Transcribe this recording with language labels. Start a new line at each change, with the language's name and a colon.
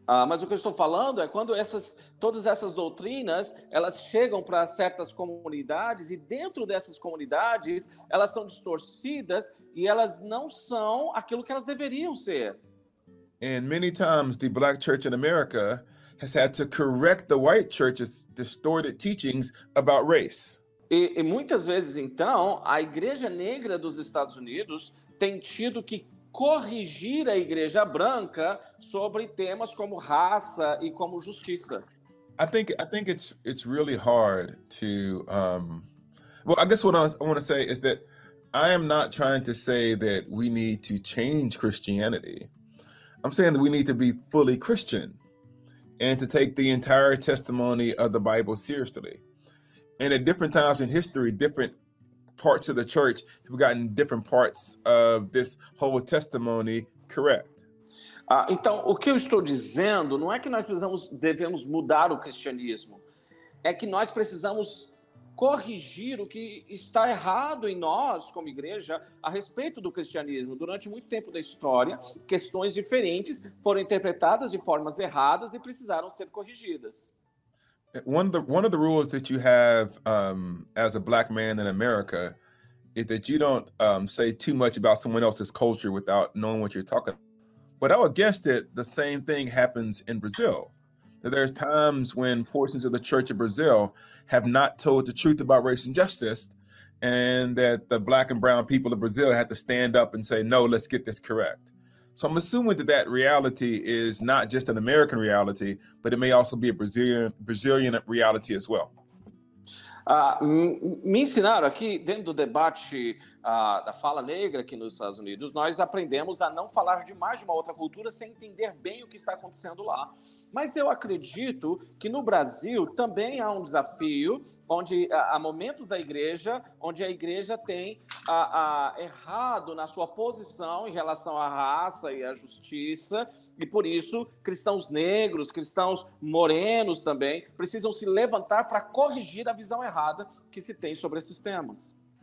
Portuguese: Mas o que eu estou falando é quando todas essas doutrinas, elas chegam para certas comunidades, e dentro dessas comunidades, elas são distorcidas e elas não são aquilo que elas deveriam ser.
English: And many times the black church in America has had to correct the white church's distorted teachings about race. E muitas vezes, então, a igreja negra dos Estados Unidos tem tido que corrigir a igreja branca sobre temas como raça e como justiça. I think it's really hard to well, I guess what I want to say is that I am not trying to say that we need to change Christianity. I'm saying that we need to be fully Christian and to take the entire testimony of the Bible seriously. And at different times in history, different parts of the church have gotten different parts of this whole testimony correct.
Portuguese: Então, o que eu estou dizendo não é que nós devemos mudar o cristianismo, é que nós precisamos corrigir o que está errado em nós como igreja a respeito do cristianismo. Durante muito tempo da história, questões diferentes foram interpretadas de formas erradas e precisaram ser corrigidas.
English: One of the rules that you have as a black man in America is that you don't say too much about someone else's culture without knowing what you're talking about. But I would guess that the same thing happens in Brazil. That there's times when portions of the Church of Brazil have not told the truth about race and justice, and that the black and brown people of Brazil had to stand up and say, no, let's get this correct. So I'm assuming that reality is not just an American reality, but it may also be a Brazilian reality as well.
Portuguese: Me ensinaram aqui, dentro do debate da fala negra aqui nos Estados Unidos, nós aprendemos a não falar demais de uma outra cultura sem entender bem o que está acontecendo lá. Mas eu acredito que no Brasil também há um desafio, onde há momentos da igreja, onde a igreja tem errado na sua posição em relação à raça e à justiça, e por isso cristãos negros, cristãos morenos também, precisam se levantar para corrigir a visão errada que se tem sobre esses temas.